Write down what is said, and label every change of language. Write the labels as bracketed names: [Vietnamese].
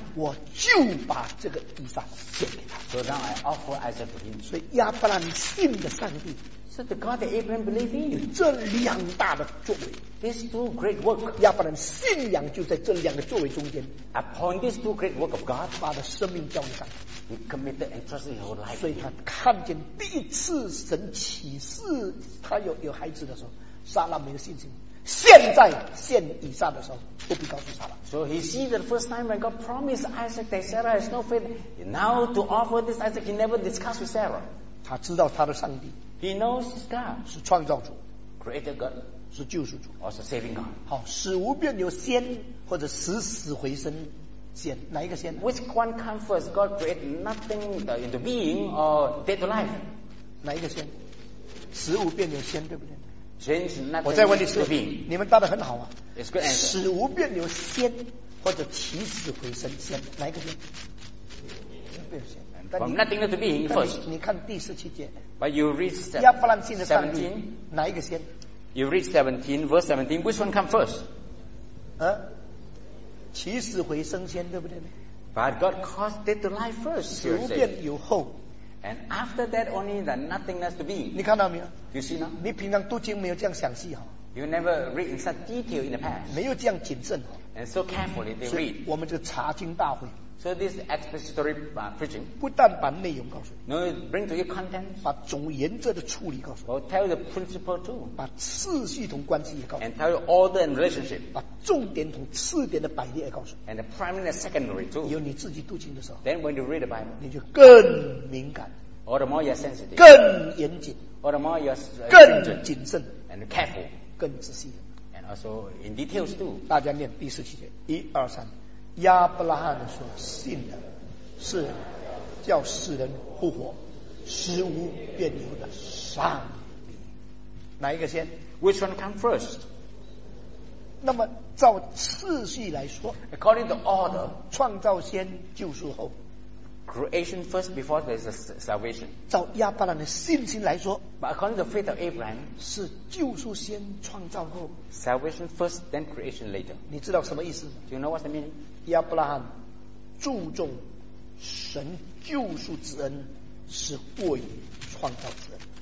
[Chinese] 我就把这个以撒献给他 [English] So now I offer Isaac to him [Chinese] 所以亚伯兰信的上帝 [English] So the God that Abraham believed in [Chinese] 有这两大的作为 [English] These two great work [Chinese] 亚伯兰信仰就在这两个作为中间 [English] Upon these two great work of God [Chinese] 把他生命交给上帝 [English] He committed and trusted his whole life. [Chinese] 所以他看见第一次神启示他有孩子的时候，撒拉没有信心。现在献以撒的时候，不必告诉撒拉。 [English] So he sees the first time when God promised Isaac that Sarah has no faith. Now to offer this Isaac, he never discussed with Sarah. [Chinese] 他知道他的上帝。 [English] He knows his God. [Chinese] 是创造主。 [English] Creator God. [Chinese] 是救赎主。 [English] Or is saving God. [Chinese] 好，死无变由先，或者死回生。先哪一个先 [English] Which one comes first? God created nothing into being or dead to life. [Chinese] 哪一个先死无变由先对不对 [English] change [Chinese] 我再问你是病，你们答得很好啊。 [English] It's good answer. [Chinese] 死无变流先，或者起死回生先，哪一个先？ [English] From nothing to being first. [Chinese] 你看第十七节。 [English] But you read [Chinese] 17. 哪一个先？ [English] You read 17, verse 17. Which one come first? [Chinese] 起死回生先，对不对？ [English] But God caused dead to life first. [Chinese] 死无变有后。 [English] And after that, only the nothingness to be. [Chinese] 你看到没有？ [English] You see now? [Chinese] 你平常读经没有这样详细哈。 [English] You never read in such detail in the past. [Chinese] 没有这样谨慎哈。 [English] And so carefully they read. [Chinese] 我们这个查经大会。 [English] So this expository preaching. [Chinese] 不但把内容告诉你。 [English] No, bring to you content. [Chinese] 把总原则的处理告诉你。 [English] Or tell the principle too. [Chinese] 把次序同关系也告诉你。 [English] And tell you order and relationship. [Chinese] 把重点同次点的摆列也告诉你。 [English] And the primary and secondary too. [Chinese] 有你自己读经的时候。 [English] Then when you read the Bible, [Chinese] 你就更敏感。 [English] Or the more you're sensitive. [Chinese] 更严谨。 [English] Or the more you're [Chinese] 更谨慎。 [English] And careful. [Chinese] 更仔细。 [English] And also in details too. [Chinese] 大家念第十七节，一二三。亚伯拉罕所信的是叫死人复活、死无变有的上帝。哪一个先？ [English] Which one come first? [Chinese] 那么照次序来说， [English] According to order, [Chinese] 创造先，救赎后。 [English] Creation first before there is a salvation. [Chinese] 照亚伯拉罕的信心来说， [English] But according to the faith of Abraham, [Chinese] 是救赎先，创造后。 [English] Salvation first, then creation later. [Chinese] 你知道什么意思吗？ [English] Do you know what the meaning? [Chinese] 亚伯拉罕注重神救赎之恩是过于创造之恩。